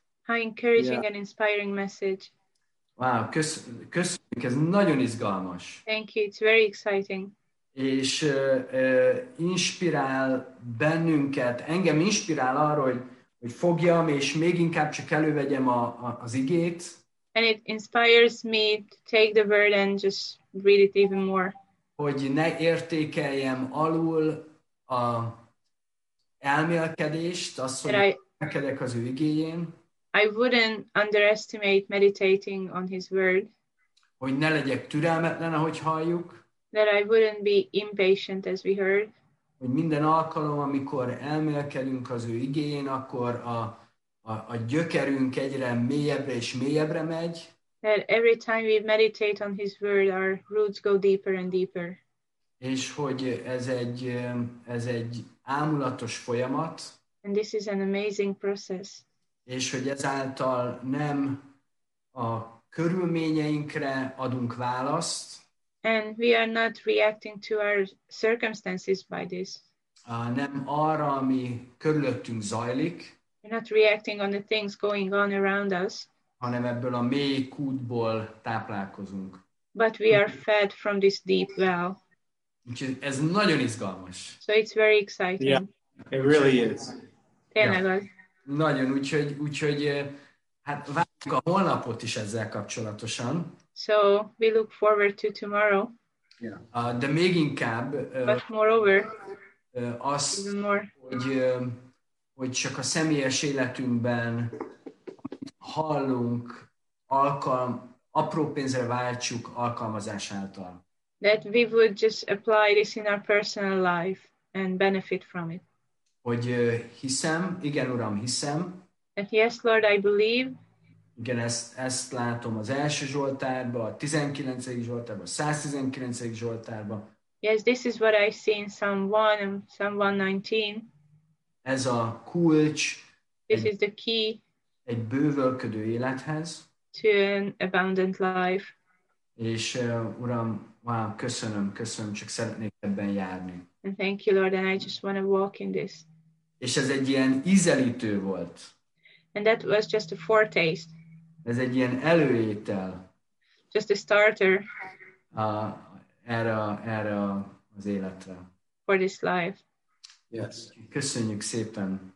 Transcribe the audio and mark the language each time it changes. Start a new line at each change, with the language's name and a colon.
English: How encouraging and inspiring message.
Hungarian: Wow, köszönjük, ez nagyon izgalmas.
English: Thank you, it's very exciting.
Hungarian: És inspirál bennünket, engem inspirál arra, hogy fogjam, és még inkább csak elővegyem az igét.
English: And it inspires me to take the word and just read it even more.
Hungarian: Hogy ne értékeljem alul a elmélkedést, azt, hogy elmélkedek az ő igéjén.
English: I wouldn't underestimate meditating on his word.
Hungarian: Hogy ne legyek türelmetlen, ahogy halljuk.
English: That I wouldn't be impatient, as we heard.
Hungarian: Hogy minden alkalom, amikor elmélkedünk az ő igéjén, akkor a gyökerünk egyre mélyebbre és mélyebbre megy.
English: That every time we meditate on his word, our roots go deeper and deeper.
Hungarian: És hogy ez egy ámulatos folyamat.
English: And this is an amazing process.
Hungarian: És hogy ezáltal nem a körülményeinkre adunk választ.
English: And we are not reacting to our circumstances by this.
Hungarian: Nem arra, ami körülöttünk zajlik.
English: We're not reacting on the things going on around us.
Hungarian: Hanem ebből a mély kútból táplálkozunk.
English: But we are fed from this deep well.
Hungarian: Úgyhogy ez nagyon izgalmas.
English: So it's very exciting. Yeah, it really is.
Hungarian: Tényleg az. Nagyon, úgyhogy hát várjuk a holnapot is ezzel kapcsolatosan.
English: So, we look forward to tomorrow.
Hungarian: Yeah. De még inkább,
English: but moreover, az, even more.
Hungarian: hogy csak a személyes életünkben hallunk, apró pénzre váltsuk alkalmazás által.
English: That we would just apply this in our personal life and benefit from it.
Hungarian: Hogy hiszem, igen Uram, hiszem.
English: That yes, Lord, I believe.
Hungarian: Igen, ezt látom az első Zsoltárban, a 19. Zsoltárban, a 119. Zsoltárban.
English: Yes, this is what I see in Psalm 1 and Psalm 119.
Hungarian: Ez a kulcs.
English: This is the key.
Hungarian: Egy bővölködő élethez.
English: To an abundant life.
Hungarian: És Uram, wow, köszönöm, csak szeretnék ebben járni.
English: And thank you, Lord, and I just want to walk in this.
Hungarian: És ez egy ilyen ízelítő volt.
English: And that was just a foretaste.
Hungarian: Ez egy ilyen előétel.
English: Just a starter.
Hungarian: Erre az életre.
English: For this life. Yes.
Hungarian: Köszönjük szépen.